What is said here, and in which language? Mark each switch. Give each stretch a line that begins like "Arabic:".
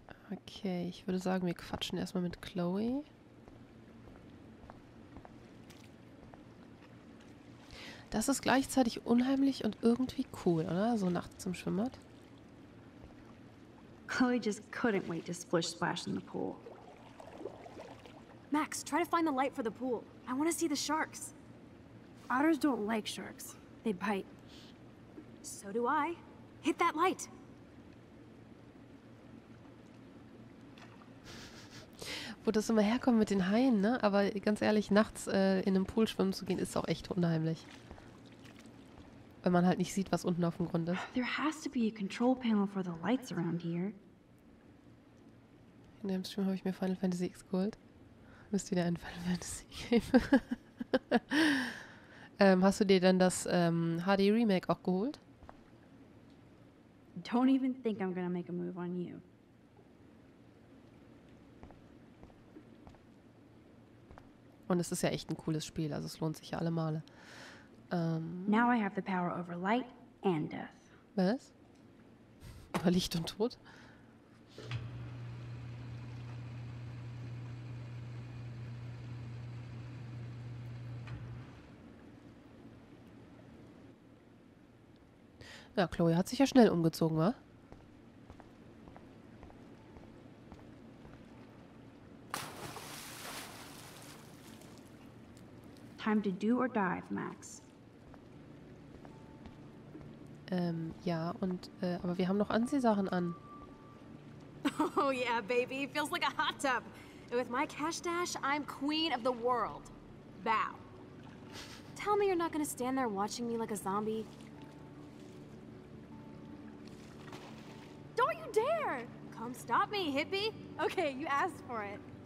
German: Okay, ich würde sagen, wir quatschen erstmal mit Chloe. Das ist gleichzeitig unheimlich und irgendwie cool, oder? So nachts zum Schwimmbad.
English: Chloe just couldn't wait to splish splash in the pool. Max, try to find the light for the pool. I want to see the sharks. Otters don't like sharks. They bite. So do I. Hit that light.
German: Wo das immer herkommt mit den Haien, ne? Aber ganz ehrlich, nachts in einem Pool schwimmen zu gehen, ist auch echt unheimlich. Weil man halt nicht sieht, was unten auf dem Grund ist.
English: There has to be a control panel for the lights around here.
German: In dem Stream habe ich mir Final Fantasy X geholt. Müsste wieder ein Final Fantasy Game. hast du dir denn das HD Remake auch geholt?
English: Don't even think I'm gonna make a move on you.
German: Und es ist ja echt ein cooles Spiel, also es lohnt sich ja alle Male.
English: Now I have the power over light and death.
German: Was? Über Licht und Tod? Ja, Chloe hat sich ja schnell umgezogen, wa?
English: Time to do or dive, Max.
German: Ja, und aber wir haben noch Anziehsachen an.
English: Oh yeah, baby, feels like a hot tub. And with my cash dash, I'm queen of the world. Bow. Tell me you're not gonna stand there watching me like a zombie. Don't you dare! Come stop me, hippie. Okay, you asked for it.